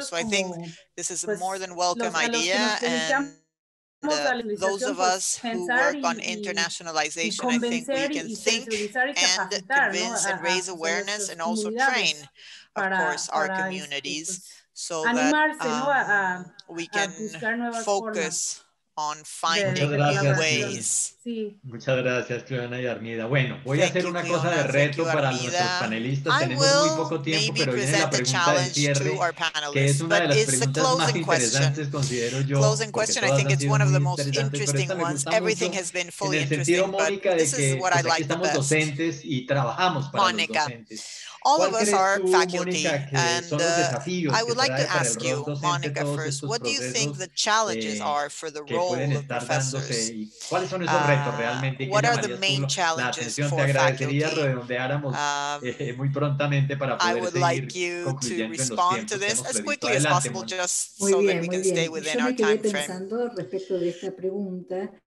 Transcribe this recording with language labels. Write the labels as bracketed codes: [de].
[en] So I think this is a more than welcome idea. And those of us who work on internationalization, I think we can think and convince and raise awareness and also train, of course, our communities so that we can focus on finding new ways. [es] Muchas gracias, Fiona y Armida. Bueno, voy a hacer una cosa de reto para nuestros panelistas. Tenemos muy poco tiempo, pero viene la pregunta de cierre, que es una de las preguntas más interesantes, considero yo, porque todas han sido muy interesantes, pero esta me gusta mucho, en el sentido, Mónica, de que estamos docentes y trabajamos para los docentes. [en] All of us are faculty, and I would like to ask you, Monica, first, what do you think the challenges are for the role of professors? What are the main challenges for faculty? I would like you to respond to this as quickly as possible, just so that we can stay within our time frame.